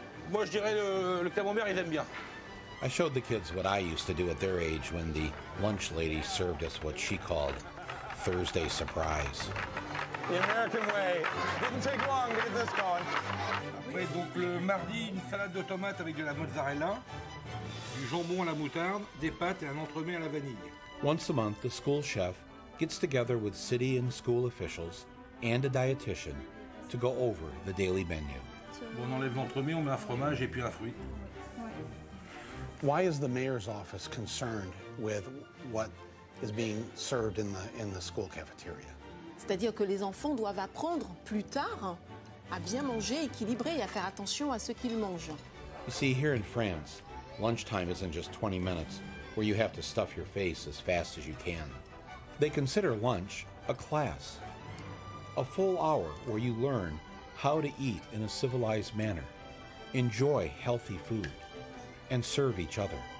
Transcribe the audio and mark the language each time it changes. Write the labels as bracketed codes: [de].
[fr] Moi, je dirais le camembert, ils aiment bien. [en] I showed the kids what I used to do at their age when the lunch lady served us what she called Thursday surprise. The American way. Didn't take long to get this going. [fr] Après, donc le mardi, une salade de tomates avec de la mozzarella, du jambon à la moutarde, des pâtes et un entremets à la vanille. [en] Once a month, the school chef gets together with city and school officials and a dietitian to go over the daily menu. [fr] On enlève l'entremets, on met un fromage et puis un fruit. [en] Why is the mayor's office concerned with what is being served in the school cafeteria? [fr] C'est-à-dire que les enfants doivent apprendre plus tard à bien manger, équilibrer et à faire attention à ce qu'ils mangent. [en] You see, here in France, lunchtime isn't just 20 minutes where you have to stuff your face as fast as you can. They consider lunch a class, a full hour where you learn how to eat in a civilized manner, enjoy healthy food, and serve each other.